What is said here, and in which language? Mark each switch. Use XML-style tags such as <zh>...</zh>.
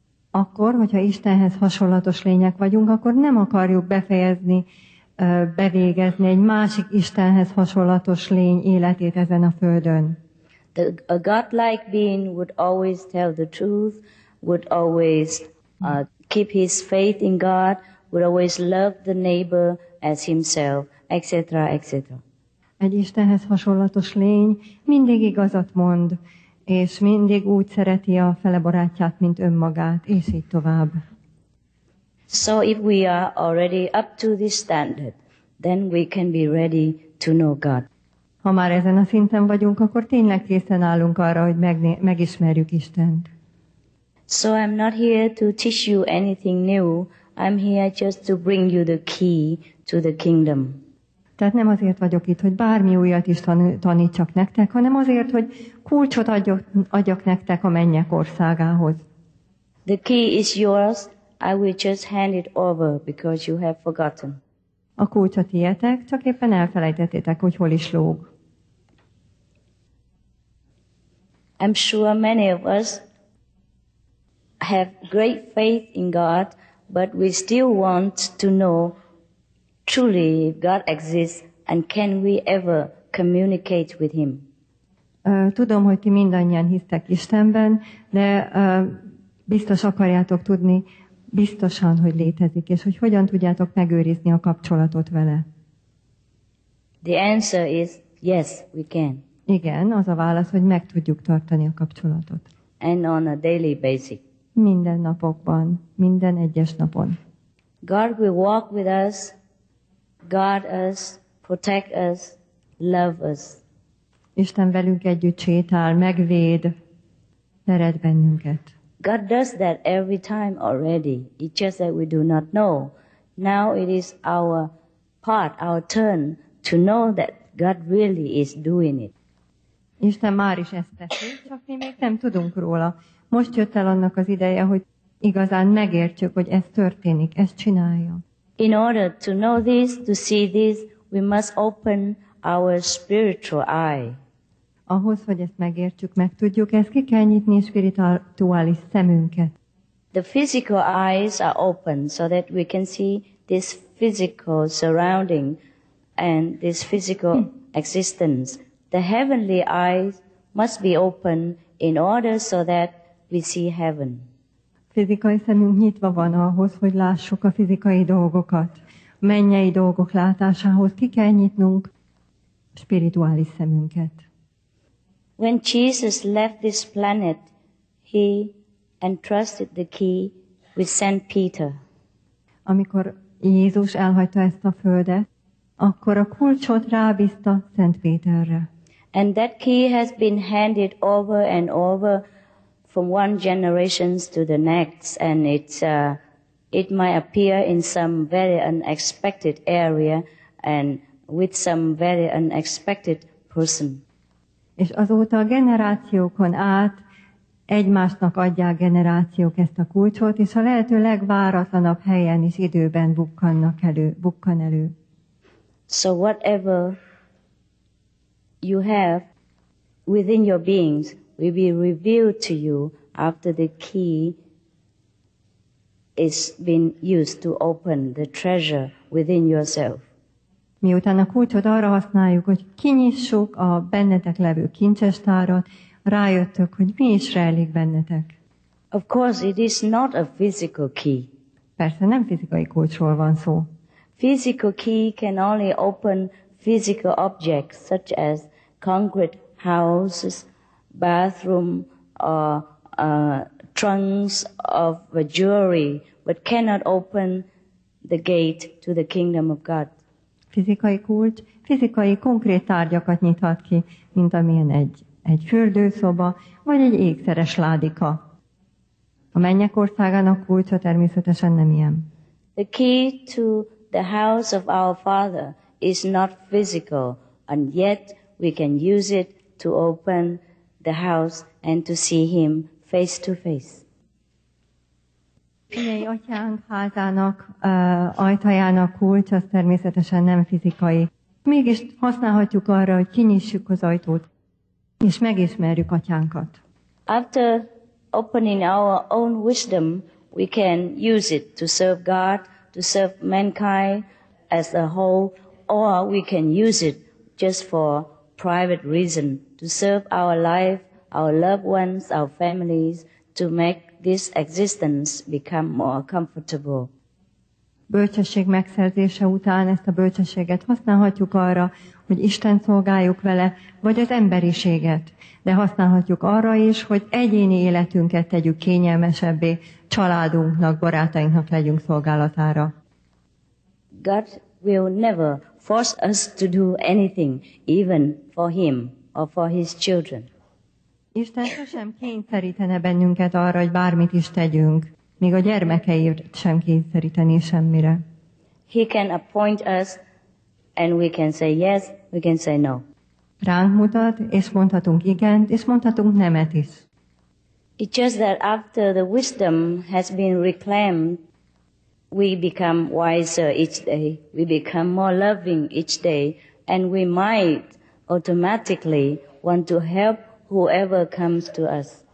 <hu>Akkor, hogyha Istenhez hasonlatos lények vagyunk, akkor nem akarjuk befejezni, bevégezni egy másik Istenhez hasonlatos lény életét ezen a földön.</hu> <en>A God-like being would always tell the truth, would always keep his faith in God, would always love the neighbor as himself, etc., etc.</en> <hu>Egy Istenhez hasonlatos lény mindig igazat mond, és mindig úgy szereti a fele barátját, mint önmagát, és így tovább.</hu> <en>So if we are already up to this standard, then we can be ready to know God.</en> <hu>Ha már ezen a szinten vagyunk, akkor tényleg készen állunk arra, hogy megismerjük Istent.</hu> <en>So I'm not here to teach you anything new. I'm here just to bring you the key to the kingdom.</en> <hu>Tehát nem azért vagyok itt, hogy bármi újat is tanítsak nektek, hanem azért, hogy kulcsot adjak nektek a mennyek országához.</hu> <en>The key is yours. I will just hand it over because you have forgotten.</en> <hu>A kulcs a tietek, csak éppen elfelejtettétek, hogy hol is lóg.</hu> <en>I'm sure many of us have great faith in God, but we still want to know truly if God exists and can we ever communicate with him.</en> <hu>Tudom, hogy ti mindannyian hisztek Istenben, de biztos akarjátok tudni, biztosan, hogy létezik, és hogy hogyan tudjátok megőrizni a kapcsolatot vele.</hu> <en>The answer is yes, we can.</en> <hu>Igen, az a válasz, hogy meg tudjuk tartani a kapcsolatot.</hu> <en>And on a daily basis.</en> <hu>Minden napokban, minden egyes napon.</hu> <en>God will walk with us, guard us, protect us, love us.</en> <hu>Isten velünk együtt sétál, megvéd, szeret bennünket.</hu> <en>God does that every time already. It's just that we do not know. Now it is our part, our turn, to know that God really is doing it.</en> <hu>Isten már is ezt teszi, csak mi még nem tudunk róla. Most jött el annak az ideje, hogy igazán megértjük, hogy ez történik, ezt csinálja.</hu> <en>In order to know this, to see this, we must open our spiritual eye.</en> <hu>Ahhoz, hogy ezt megértjük, megtudjuk, ezt ki kell nyitni spirituális szemünket.</hu> <en>The physical eyes are open so that we can see this physical surrounding and this physical existence. The heavenly eyes must be open in order so that we see heaven.</en> <hu>Fizikai szemünk nyitva van ahhoz, hogy lássuk a fizikai dolgokat. Mennyei dolgok látásához ki kell nyitnunk spirituális szemünket.</hu> <en>When Jesus left this planet, he entrusted the key with Saint Peter.</en> <hu>Amikor Jézus elhagyta ezt a földet, akkor a kulcsot rábízta Szent Péterre.</hu> <en>And that key has been handed over and over from one generation to the next, and it might appear in some very unexpected area and with some very unexpected person.</en> <hu>És azóta a generációkon át egymásnak adják generációk ezt a kulcsot, és a lehető legváratlanabb helyen is időben bukkan elő.</hu> <en>So whatever you have within your beings will be revealed to you after the key is been used to open the treasure within yourself.</en> <hu>Miután a kulcsot arra használjuk, hogy kinyissuk a bennetek levő kincsestárat, rájöttök, hogy mi is rejlik bennetek.</hu> <en>Of course, it is not a physical key.</en> <hu>Persze nem fizikai kulcsról van szó.</hu> <en>Physical key can only open physical objects such as concrete houses, bathroom, or trunks of jewelry, but cannot open the gate to the kingdom of God.</en> <hu>Fizikai kulcs, fizikai konkrét tárgyakat nyithat ki, mint amilyen egy fürdőszoba, vagy egy ékszeres ládika. A mennyek országának kulcsa természetesen nem ilyen.</hu> <en>The key to the house of our Father is not physical, and yet we can use it to open the house and to see Him face to face.</en> <hu>Mennyei atyánk házának ajtajának kulcsa természetesen nem fizikai. Mégis használhatjuk arra, hogy kinyissuk az ajtót, és megismerjük atyánkat.</hu> <en>After opening our own wisdom, we can use it to serve God, to serve mankind as a whole, or we can use it just for private reason, to serve our life, our loved ones, our families, to make this existence become more comfortable.</en> <hu>Bölcsesség megszerzése után ezt a bölcsességet használhatjuk arra, hogy Isten szolgáljuk vele, vagy az emberiséget. De használhatjuk arra is, hogy egyéni életünket tegyük kényelmesebbé, családunknak, barátainknak legyünk szolgálatára.</hu> <en>God will never force us to do anything, even for Him or for His children.</en> <hu>Isten sosem kényszerítene bennünket arra, hogy bármit is tegyünk. Még a gyermekeit sem kényszeríteni semmire.</hu> <en>He can appoint us, and we can say yes, we can say no.</en> <hu>Ránk mutat, és mondhatunk igent, és mondhatunk nemet is.</hu> <en>It's just that after the wisdom has been reclaimed, we become wiser each day, we become more loving each day, and we might automatically want to help whoever comes to us.</en>